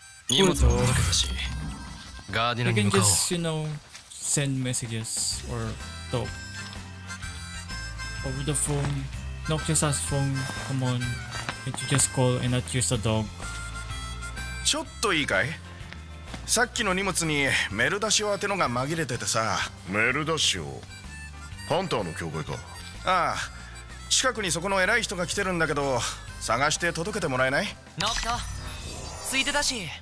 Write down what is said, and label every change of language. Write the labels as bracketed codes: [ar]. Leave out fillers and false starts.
[ja] 荷物を届けたし、ガーディナに向かおう。 [en] You can just, you know, send messages or talk over the phone. Noctis has phone. Come on, can't you just call and not use the dog? [ja] ちょっといいかい？さっきの荷物にメルダシを当てのが紛れててさ。メルダシを？ハンターの教会か。ああ、近くにそこの偉い人が来てるんだけど、探して届けてもらえない？ノクト、ついてたし。